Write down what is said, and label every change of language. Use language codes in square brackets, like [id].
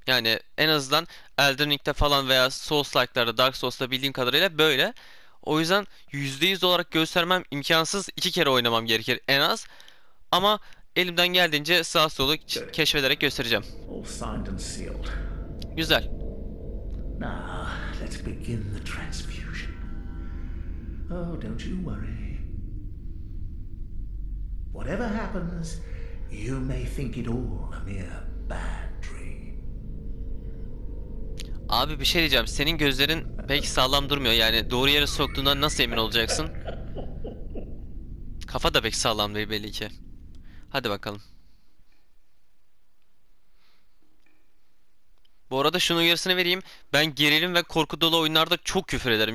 [tr] Yani en azından Elden Ring'de falan veya Souls-like'larda, Dark Souls'ta bildiğim kadarıyla böyle. O yüzden %100 olarak göstermem imkansız, iki kere oynamam gerekir en az. Ama elimden geldiğince sağ solu [en] Good. [tr] keşfederek göstereceğim. [en] All signed and sealed. [tr] Güzel. [en] Now, let's begin the transfusion. Oh, don't you worry. Whatever happens, you may think it all a mere bad dream. [tr] Abi bir şey diyeceğim. Senin gözlerin pek sağlam durmuyor. Yani doğru yere soktuğundan nasıl emin olacaksın? Kafa da pek sağlam değil belli ki. Hadi bakalım. Bu arada şunun uyarısını vereyim. Ben gerilim ve korku dolu oyunlarda çok küfür ederim.